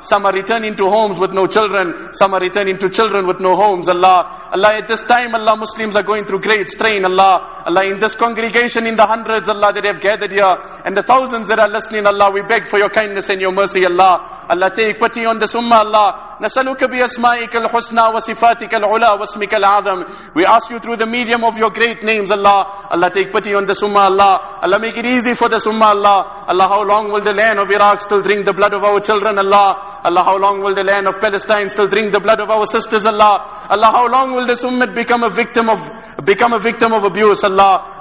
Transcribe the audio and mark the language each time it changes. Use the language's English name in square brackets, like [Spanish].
[English] Some are returning to homes with no children. Some are returning to children with no homes, Allah. Allah, at this time, Allah, Muslims are going through great strain, Allah. Allah, in this congregation, in the hundreds, Allah, that have gathered here, and the thousands that are listening, Allah, we beg for your kindness and your mercy, Allah. Allah, take pity on this ummah, Allah. [Arabic] نسألك بأسمائك الحسنى وصفاتك العلى واسمك العظم. [English] We ask you through the medium of your great names, Allah. Allah, take pity on this ummah, Allah. Allah, make it easy for this ummah, Allah. Allah, how long will the land of Iraq still drink the blood of our children, Allah? Allah, how long will the land of Palestine still drink the blood of our sisters, Allah? Allah, how long will this ummah become a victim of abuse, Allah?